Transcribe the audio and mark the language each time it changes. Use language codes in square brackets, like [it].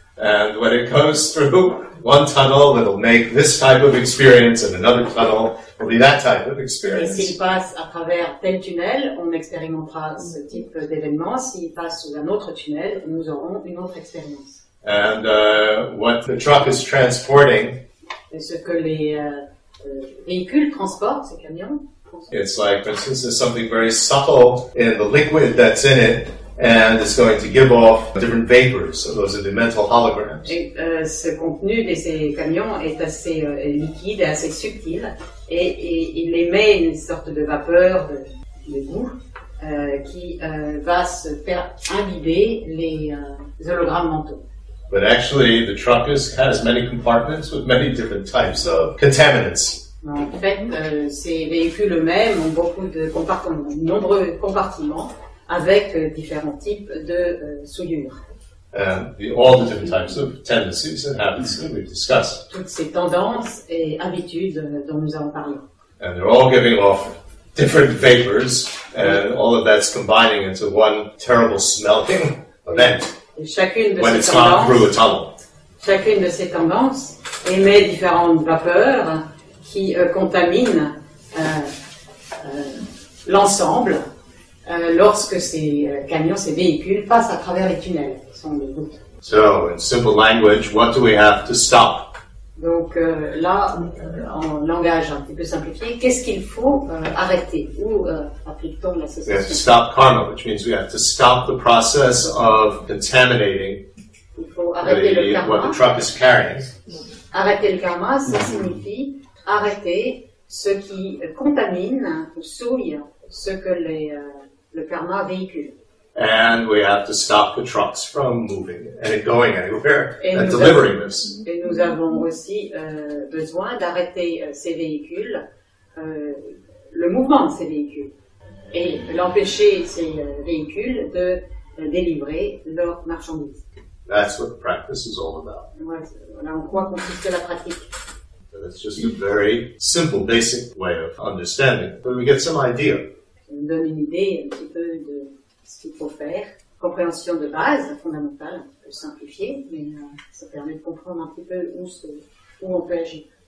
[en] And when it goes through one tunnel, it'll make this type of experience, and another tunnel will be that type of experience. [fr] Et s'il passe à travers tel tunnel, on expérimentera ce type d'événement. S'il passe sous un autre tunnel, nous aurons une autre expérience. [en] And what the truck is transporting, [fr] et ce que les véhicules transportent, ces camions, [en] it's like, for instance, there's something very subtle in the liquid that's in it, and it's going to give off different vapors. So those are the mental holograms. [fr] Et ce contenu de ces camions est assez liquide et assez subtil, et il émet une sorte de vapeur, de goût, qui va se faire imbiber les hologrammes mentaux. [en] But actually, the truck has many compartments with many different types of contaminants. [fr] En fait, ces véhicules eux-mêmes ont beaucoup de nombreux compartiments avec différents types de souillures. [en] All the different types of tendencies and habits that we've discussed. [fr] Toutes ces tendances et habitudes dont nous avons parlé. [en] And they're all giving off different vapors, and all of that's combining into one terrible smelling event. [fr] Chacune de ces tendances émet différentes vapeurs qui contaminent l'ensemble lorsque ces camions, ces véhicules passent à travers les tunnels. Sont les gouttes. [en] So, in simple language, what do we have to stop? [fr] Donc là, en langage un petit peu simplifié, qu'est-ce qu'il faut arrêter? Où applique-t-on la cessation? [en] We have to stop karma, which means we have to stop the process of contaminating what the truck is carrying. [fr] Arrêter le karma, ça signifie arrêter ce qui contamine ou souille ce que le karma véhicule. [en] And we have to stop the trucks from moving and going anywhere and delivering this. [fr] Et nous avons aussi besoin d'arrêter ces véhicules, le mouvement de ces véhicules, et l'empêcher ces véhicules de délivrer leurs marchandises. [en] That's what practice is all about. [fr] Voilà en quoi consiste la pratique. [en] That's just a very simple, basic way of understanding. But we get some idea. [fr] Ça nous donne une idée un petit peu de ce qu'il faut faire. Compréhension de base, fondamentale, un peu simplifiée, mais ça permet de comprendre un petit peu où on peut agir.